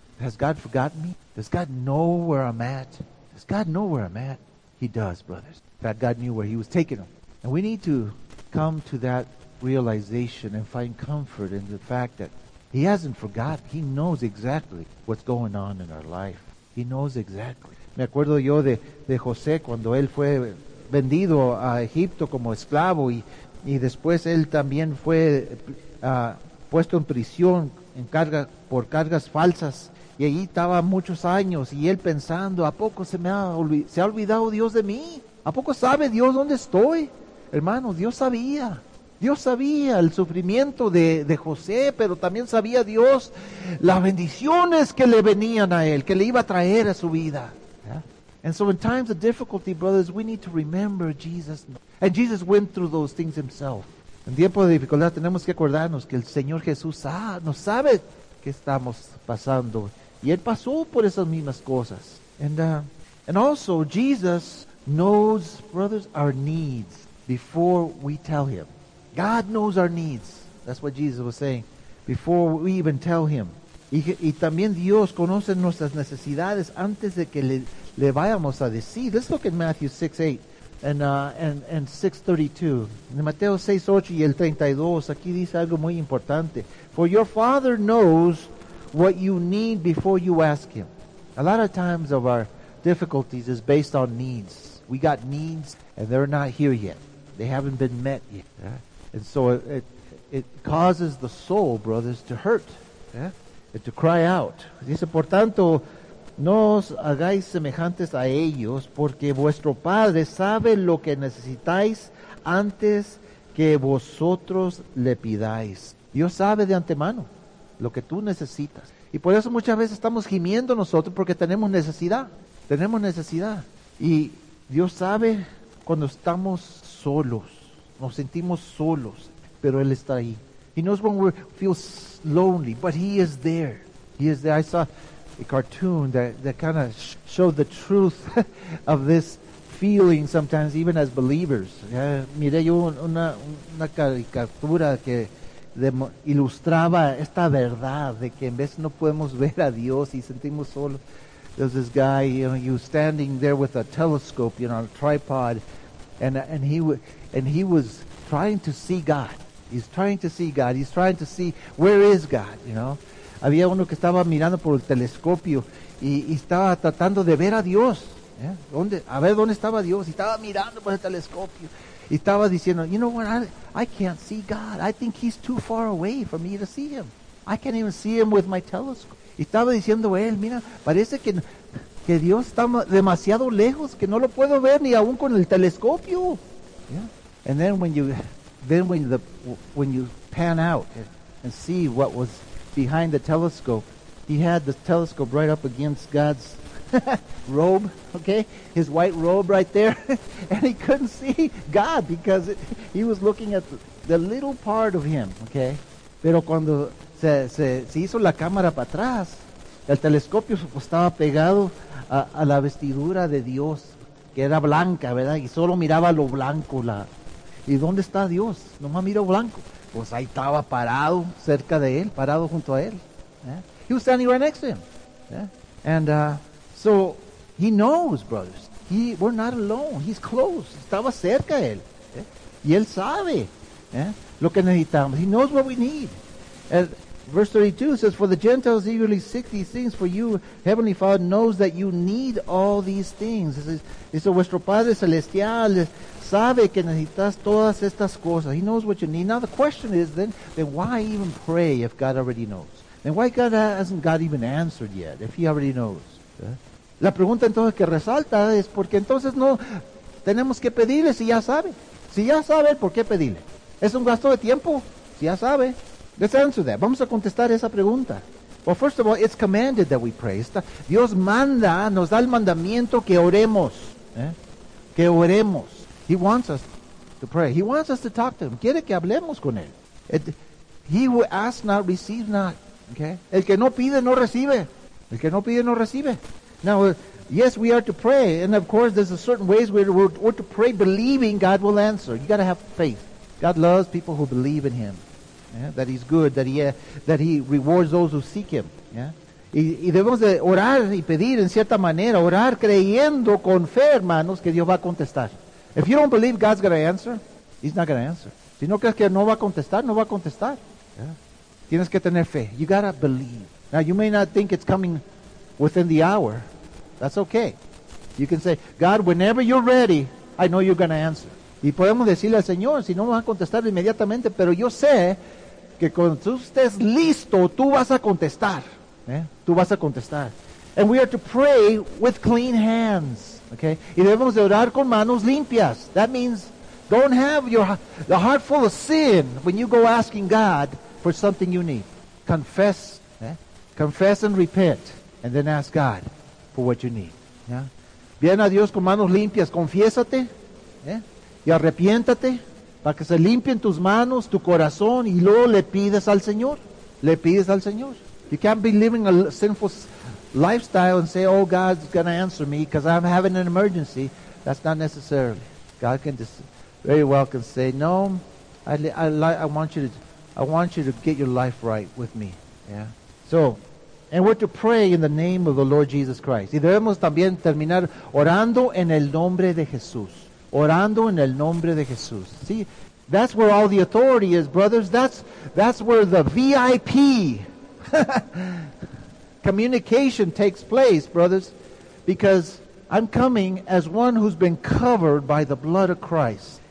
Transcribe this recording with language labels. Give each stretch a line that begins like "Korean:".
English: Has God forgotten me? Does God know where I'm at? Does God know where I'm at? He does, brothers. In fact, God knew where he was taking them. And we need to come to that realization and find comfort in the fact that he hasn't forgotten. He knows exactly what's going on in our life. He knows exactly.
Spanish: Me acuerdo yo de José cuando él fue vendido a Egipto como esclavo y después él también fue puesto en prisión por cargas falsas y ahí estaba muchos años y él pensando, ¿a poco se ha olvidado Dios de mí? ¿A poco sabe Dios dónde estoy? Hermano, Dios sabía el sufrimiento de José, pero también sabía Dios las bendiciones que le venían a él, que le iba a traer a su vida.
English: And so in times of difficulty, brothers, we need to remember Jesus. And Jesus went through those things himself.
Spanish: En tiempos de dificultad tenemos que acordarnos que el Señor Jesús no sabe qué estamos pasando. Y Él pasó por esas mismas cosas.
English: And also, Jesus knows, brothers, our needs before we tell Him. God knows our needs. That's what Jesus was saying. Before we even tell Him.
Spanish: Y también Dios conoce nuestras necesidades antes de que le vayamos a decir.
English: Let's look at Matthew 6:8 and 6:32.
Spanish: En Mateo 6:8 y el 32, aquí dice algo muy importante.
English: For your Father knows what you need before you ask Him. A lot of times of our difficulties is based on needs. We got needs and they're not here yet. They haven't been met yet. And so it causes the soul, brothers, to hurt. And to cry out.
Spanish: Dice, por tanto, no os hagáis semejantes a ellos, porque vuestro Padre sabe lo que necesitáis antes que vosotros le pidáis. Dios sabe de antemano lo que tú necesitas. Y por eso muchas veces estamos gimiendo nosotros, porque tenemos necesidad. Tenemos necesidad. Y Dios sabe cuando estamos solos. Nos sentimos solos, pero Él está ahí.
English: He knows when we feel lonely, but He is there. He is there. I saw a cartoon that kind of showed the truth of this feeling sometimes, even as believers.
Spanish: Mire yo una caricatura que ilustraba esta verdad de que en vez no podemos ver a Dios y sentimos solo.
English: There's this guy, you know, he was standing there with a telescope, you know, on a tripod, and he was trying to see God. He's trying to see God. He's trying to see where is God, you know.
Spanish: Había uno que estaba mirando por el telescopio y estaba tratando de ver a Dios. ¿Dónde estaba Dios? Y estaba mirando por el telescopio. Y estaba diciendo,
English: you know what, I can't see God. I think He's too far away for me to see Him. I can't even see Him with my telescope.
Spanish: Y estaba diciendo él, mira, parece que Dios está demasiado lejos, que no lo puedo ver ni aún con el telescopio.
English: And then when you pan out and see what was behind the telescope, he had the telescope right up against God's robe, okay? His white robe right there. And he couldn't see God because he was looking at the little part of Him, okay?
Spanish: Pero cuando se hizo la cámara para atrás, el telescopio estaba pegado a la vestidura de Dios, que era blanca, ¿verdad? Y solo miraba lo blanco, la... ¿Y dónde está Dios? Nomás miro blanco. Pues ahí estaba parado cerca de él, parado junto a él.
English: He was standing right next to him. So he knows, brothers. We're not alone. He's close.
Spanish: Estaba cerca de él. Y él sabe lo que necesitamos.
English: He knows what we need. Verse 32 says, for the Gentiles eagerly seek these things, for you, Heavenly Father, knows that you need all these things.
Spanish: Dice, vuestro Padre Celestial sabe que necesitas todas estas cosas.
English: He knows what you need. Now the question is, then why even pray if God already knows? Then why God hasn't God even answered yet, if he already knows?
Spanish: La pregunta entonces que resalta es, porque entonces no tenemos que pedirle si ya sabe. Si ya sabe, ¿por qué pedirle? ¿Es un gasto de tiempo? Si ya sabe.
English: Let's answer that.
Spanish: Vamos a contestar esa pregunta.
English: Well, first of all, it's commanded that we pray.
Spanish: Dios manda, nos da el mandamiento que oremos. Que oremos.
English: He wants us to pray. He wants us to talk to him.
Spanish: Quiere que hablemos con él.
English: He who asks not, receives not. Okay?
Spanish: El que no pide, no recibe. El que no pide, no recibe.
English: Now, yes, we are to pray. And of course, there's a certain ways we're to pray believing God will answer. You got to have faith. God loves people who believe in him. Yeah, that he's good, that he rewards those who seek him. Yeah?
Spanish: Y debemos de orar y pedir en cierta manera, orar creyendo con fe, hermanos, que Dios va a contestar.
English: If you don't believe God's going to answer, he's not going to answer.
Spanish: Si no crees que no va a contestar, no va a contestar. Yeah. Tienes que tener fe.
English: You got to believe. Now, you may not think it's coming within the hour. That's okay. You can say, God, whenever you're ready, I know you're going to answer.
Spanish: Y podemos decirle al Señor, si no me va a contestar inmediatamente, pero yo sé que cuando tú estés listo, tú vas a contestar. ¿Eh? Tú vas a contestar.
English: And we are to pray with clean hands. Okay?
Spanish: Y debemos de orar con manos limpias.
English: That means, don't have your heart full of sin when you go asking God for something you need. Confess. ¿Eh? Confess and repent. And then ask God for what you need.
Spanish: ¿Yeah? Bien a Dios con manos limpias. Confiésate. ¿Eh? Y arrepiéntate para que se limpien tus manos, tu corazón, y luego le pides al Señor. Le pides al Señor.
English: You can't be living a sinful lifestyle and say, oh, God's going to answer me because I'm having an emergency. That's not necessarily. God can just very well can say, no, I want you to get your life right with me. Yeah. So, and we're to pray in the name of the Lord Jesus Christ. Y debemos también terminar orando en el nombre de Jesús. Orando en el nombre de Jesús. See, that's where all the authority is, brothers. That's where the VIP communication takes place, brothers. Because I'm coming as one who's been covered by the blood of Christ.